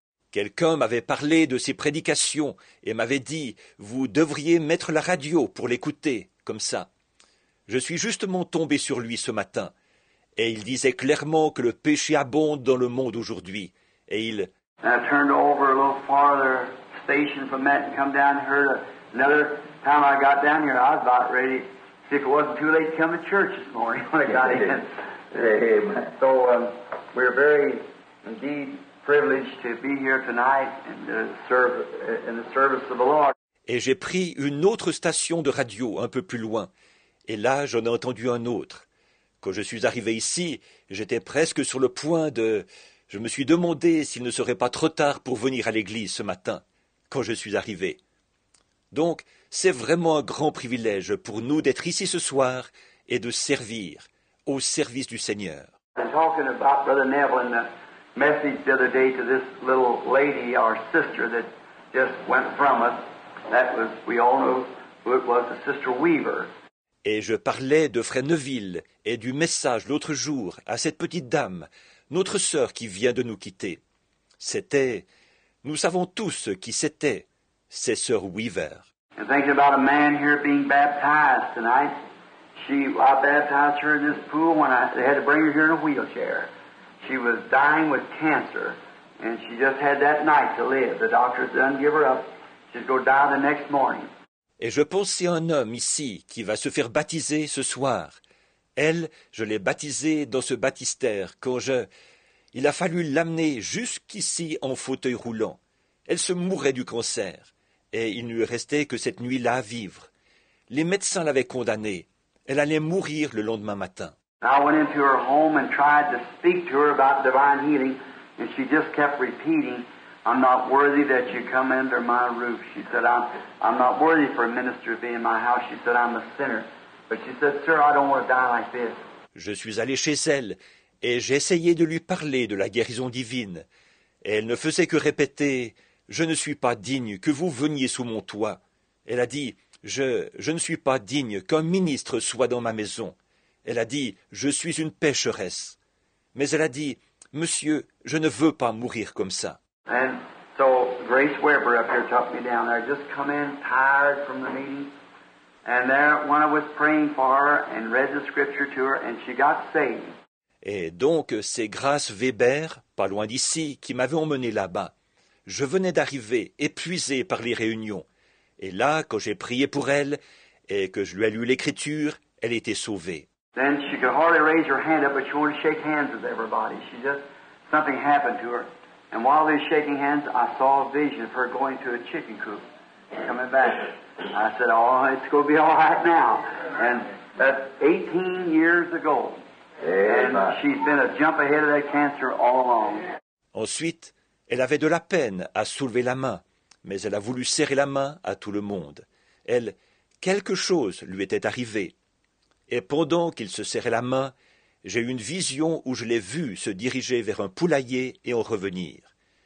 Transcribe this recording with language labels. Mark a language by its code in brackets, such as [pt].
[fr] Quelqu'un m'avait parlé de ses prédications et m'avait dit, vous devriez mettre la radio pour l'écouter, comme ça. Je suis justement tombé sur lui ce matin. Et il disait clairement que le péché abonde dans le monde aujourd'hui. Et il... [en] I turned over a little farther station from that and come down here. Another time I got down here, I was about ready. See, if it wasn't too late to come to church this morning when I got in. Amen. So we're very indeed privileged to be here tonight and serve in the service of the Lord. [fr] Et j'ai pris une autre station de radio un peu plus loin. Et là, j'en ai entendu un autre. Quand je suis arrivé ici, j'étais presque sur le point de... Je me suis demandé s'il ne serait pas trop tard pour venir à l'église ce matin, quand je suis arrivé. Donc, c'est vraiment un grand privilège pour nous d'être ici ce soir et de servir au service du Seigneur. [en] I'm talking about Brother Neville and the message the other day to this little lady, our sister, that just went from us. That was, we all know who it was, the sister Weaver. [fr] Et je parlais de Frère Neville et du message l'autre jour à cette petite dame, notre sœur qui vient de nous quitter. C'était, nous savons tous qui c'était, c'est sœur Weaver. [en] And thinking about a man here being baptized tonight, I baptized her in this pool when they had to bring her here in a wheelchair. She was dying with cancer, and she just had that night to live. The doctors didn't give her up. She's going to die the next morning. [fr] Et je pensais à un homme ici qui va se faire baptiser ce soir. Elle, je l'ai baptisée dans ce baptistère quand je... Il a fallu l'amener jusqu'ici en fauteuil roulant. Elle se mourait du cancer. Et il ne lui restait que cette nuit-là à vivre. Les médecins l'avaient condamnée. Elle allait mourir le lendemain matin. [en] I went into her home and tried to speak to her about divine healing. And she just kept repeating... I'm not worthy that you come under my roof. She said, I'm not worthy for a minister to be in my house. She said, I'm a sinner. But she said, sir, I don't want to die like this. [fr] Je suis allé chez elle et j'ai essayé de lui parler de la guérison divine. Et elle ne faisait que répéter, je ne suis pas digne que vous veniez sous mon toit. Elle a dit, je ne suis pas digne qu'un ministre soit dans ma maison. Elle a dit, je suis une pécheresse. Mais elle a dit, monsieur, je ne veux pas mourir comme ça. [en] And so Grace Weber up here took me down there. I just come in tired from the meeting. And there, when I was praying for her and read the scripture to her, and she got saved. [fr] Et donc, c'est Grace Weber, pas loin d'ici, qui m'avait emmené là-bas. Je venais d'arriver, épuisé par les réunions. Et là, quand j'ai prié pour elle et que je lui ai lu l'écriture, elle était sauvée. [en] Then she could hardly raise her hand up, but she wanted to shake hands with everybody. She just, something happened to her. And while they were shaking hands, I saw a vision of her going to a chicken coop and coming back. I said, oh, it's going to be all right now. And that's 18 years ago. And she's been a jump ahead of that cancer all along. [fr] Ensuite, elle avait de la peine à soulever la main, mais elle a voulu serrer la main à tout le monde. Elle, quelque chose lui était arrivé. Et pendant qu'il se serrait la main, j'ai eu une vision où je l'ai vu se diriger vers un poulailler et en revenir.